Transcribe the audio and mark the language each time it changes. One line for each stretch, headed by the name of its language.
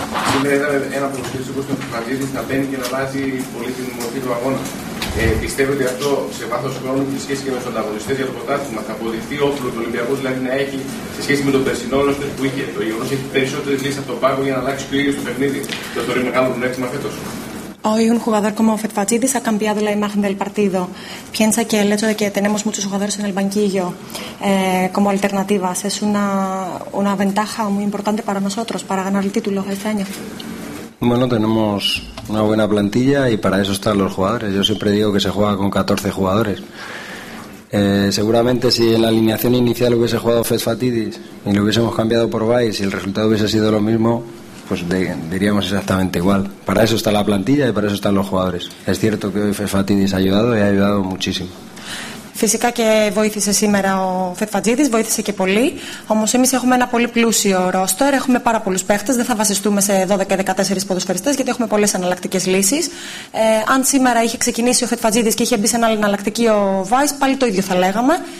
Greek: Σήμερα ήταν ένα από τους κύριους που φανταζήτης να μπαίνει και να αλλάζει πολύ την μορφή του αγώνα. Πιστεύω ότι αυτό σε βάθος χρόνου και σχέση και με τους ανταγωνιστές για το πρωτάθλημα θα αποδειχθεί όπλο του Ολυμπιακού, δηλαδή να έχει σε σχέση με τον περσινό ρόστερ που είχε το γεγονός ότι έχει περισσότερες λύσεις από τον πάγκο για να αλλάξει και ο ίδιος το παιχνίδι και το θεωρεί μεγάλο πλεονέκτημα φέτος?
Spanish: Hoy un jugador como Fetfatsidis ha cambiado la imagen del partido. Piensa que el hecho de que tenemos muchos jugadores en el banquillo como alternativas es una ventaja muy importante para nosotros, para ganar el título este año. Bueno, tenemos una buena plantilla y para eso están los jugadores. Yo siempre digo que se juega con 14 jugadores. Seguramente si en la alineación inicial hubiese jugado Fetfatsidis y lo hubiésemos cambiado por Vais y el resultado hubiese sido lo mismo, pues diríamos exactamente igual. Para eso está la plantilla y para eso están los jugadores. Es cierto que hoy Fefatidis ha ayudado y ha ayudado muchísimo.
Greek: Φυσικά και βοήθησε σήμερα ο Φετφατζίδης, βοήθησε και πολύ. Όμως εμείς έχουμε ένα πολύ πλούσιο ρόστερ, έχουμε πάρα πολλούς παίχτες. Δεν θα βασιστούμε σε 12-14 ποδοσφαιριστές, γιατί έχουμε πολλές εναλλακτικές λύσεις. Αν σήμερα είχε ξεκινήσει ο Φετφατζίδης και είχε μπει σε ένα άλλο εναλλακτική ο Βάις, πάλι το ίδιο θα λέγαμε.